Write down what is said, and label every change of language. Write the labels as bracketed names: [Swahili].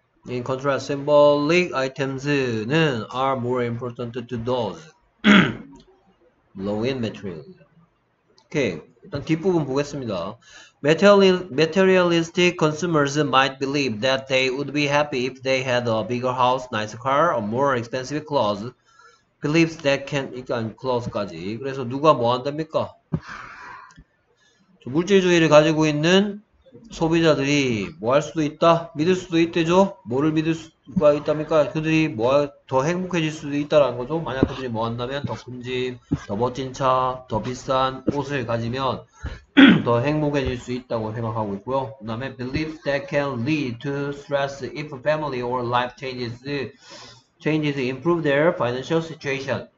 [English] In contrast, symbolic items는 are more important to those low in material. [Korean] 오케이, 일단 뒷부분 보겠습니다. [English] Materialistic consumers might believe that they would be happy if they had a bigger house, nicer car, or more expensive clothes. Believes that can, [Korean] 그러니까 [English] clothes까지. [Korean] 그래서 누가 뭐 한답니까? 물질주의를 가지고 있는 소비자들이 뭐할 수도 있다? 믿을 수도 있대죠? 뭐를 믿을 수가 있답니까? 그들이 뭐더 행복해질 수도 있다라는 거죠? 만약 그들이 뭐 한다면 더큰 집, 더 멋진 차, 더 비싼 옷을 가지면 더 행복해질 수 있다고 생각하고 있고요. 그 다음에 [English] believes that can lead to stress if family or life changes improve their financial situation.